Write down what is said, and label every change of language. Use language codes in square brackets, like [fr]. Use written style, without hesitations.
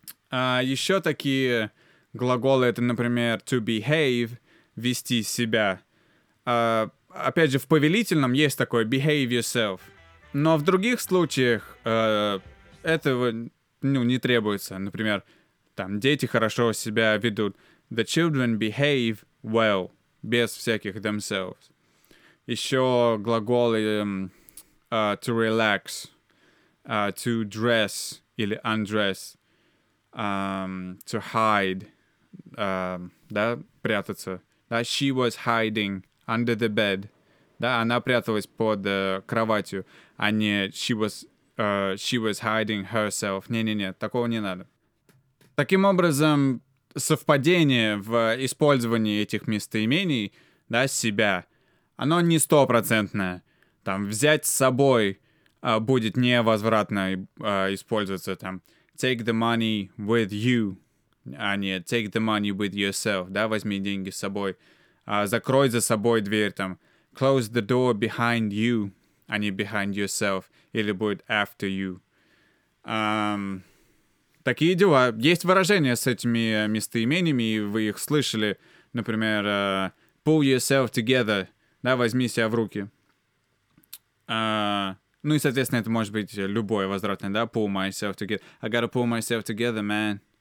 [ru] А еще такие глаголы — это, например, «to behave» — «вести себя». Опять же, в повелительном есть такое [en] behave yourself. [ru] Но в других случаях этого не требуется. Например, там дети хорошо себя ведут. [en] The children behave well. [ru] Без всяких themselves. Еще глаголы to relax, to dress или undress, to hide, да, прятаться. [en] Да, she was hiding under the bed. [ru] Да, она пряталась под кроватью, а не [en] she was hiding herself. [ru] Не-не-не, такого не надо. Таким образом, совпадение в использовании этих местоимений, да, себя, оно не стопроцентное. Там, взять с собой будет невозвратно использоваться, там, [en] take the money with you, [ru] а не [en] take the money with yourself, [ru] да, возьми деньги с собой, закрой за собой дверь, там, [en] close the door behind you, [ru] а не [en] behind yourself, [ru] или будет [en] after you. [ru] Такие дела. Есть выражения с этими местоимениями, и вы их слышали. Например, [en] pull yourself together, [ru] да, возьми себя в руки. Ну и, соответственно, это может быть любое возвратное, да, [en] pull myself together. I gotta pull myself together, man.